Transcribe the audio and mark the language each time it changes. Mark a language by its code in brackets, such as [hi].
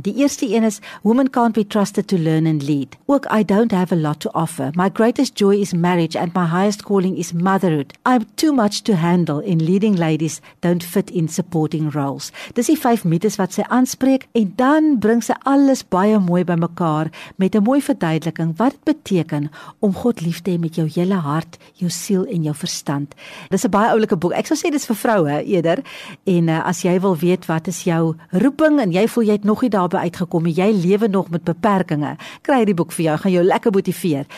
[af] Die eerste een is, [en] women can't be trusted to learn and lead. [af] Ook, [en] I don't have a lot to offer. My greatest joy is marriage and my highest calling is motherhood. I'm too much to handle in leading ladies don't fit in supporting roles. [af] Dis die 5 mites wat sy aanspreek en dan bring sy alles baie mooi by mekaar met 'n mooi verduideliking wat dit beteken om God lief te hê met jou hele hart, jou siel en jou verstand. Dis 'n baie oulike boek. Ek sou sê dis vir vroue eerder. En as jy wil weet wat is jou roeping en jy voel jy het nog nie daarby uitgekom nie, jy lewe nog met beperkinge, kry die boek vir jou, gaan jou lekker motiveer.